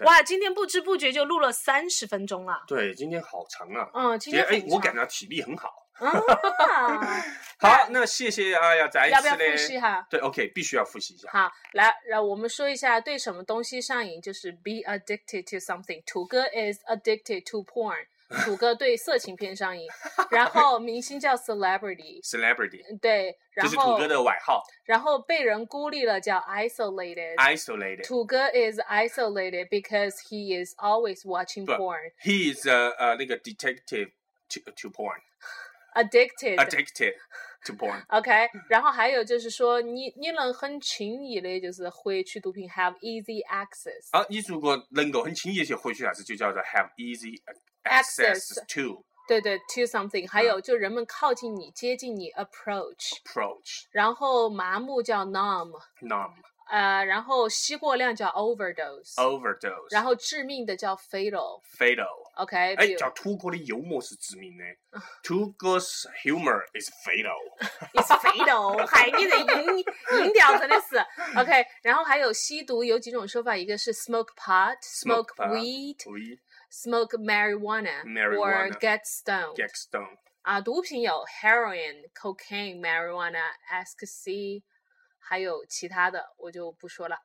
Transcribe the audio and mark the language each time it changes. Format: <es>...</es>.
<zh>哇，今天不知不觉就录了30分钟了。对，今天好长啊。今天哎，我感觉体力很好。啊。好，那谢谢哎呀，再一次要不要复习哈？对 ，OK， 必须要复习一下。好，来，让我们说一下对什么东西上瘾，就是</zh> <en>be addicted to something。土哥 is addicted to porn。</en> <zh>土哥对色情片上瘾，然后明星叫 celebrity， 对，然后这是土哥的外号，然后被人孤立了叫 isolated， 土哥</zh> <en>is isolated because he is always watching porn， he is a</en> <zh>那个</zh> <en>detective to porn， addicted to porn，</en> <zh>OK， 然后还有就是说你能很轻易的就是获取毒品</zh> <en>have easy access，</en> <zh>啊，你如果能够很轻易去获取啥子，就叫做</zh> <en>have easy access to</en> <zh>对对 to something， 还有就人们靠近你接近你 approach 然后麻木叫 numb 然后吸过量叫 overdose 然后致命的叫 fatal OK，哎，叫土哥的幽默是致命的。</zh> <en>土哥's humor is fatal。 It's fatal，</en> <zh>还你的音调真的是 OK。然后还有吸毒有几种说法，一个是 smoke pot，</zh> <en>smoke weed， smoke marijuana or get stoned。</en> <zh>毒品有 heroin， cocaine， marijuana， ecstasy， 还有其他的我就不说了。</zh>